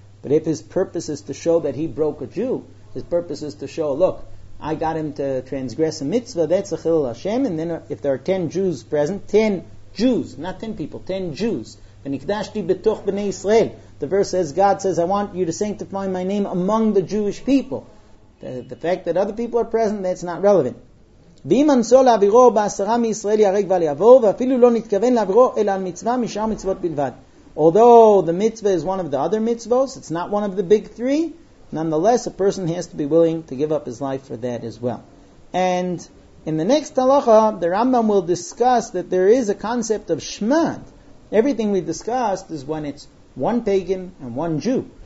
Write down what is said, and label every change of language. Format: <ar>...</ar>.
<en>But if his purpose is to show that he broke a Jew, his purpose is to show, look, I got him to transgress a mitzvah, that's a chilul Hashem, and then if there are 10 Jews present, 10 Jews, not 10 people, 10 Jews,</en> <he>v'nikdashti b'toch b'nei Yisrael,</he> <en>the verse says, God says, I want you to sanctify my name among the Jewish people. The fact that other people are present, that's not relevant.</en> <he>ואם אנסו להעבירו בעשרה מישראל יהרג ואל יעבור, ואפילו לא נתכוון להעבירו אלא על מצווה משאר מצוות בלבד.</he> <en>Although the mitzvah is one of the other mitzvahs, it's not one of the big three, nonetheless, a person has to be willing to give up his life for that as well. And in the next halacha, the Rambam will discuss that there is a concept of shmad. Everything we discussed is when it's one pagan and one Jew.</en>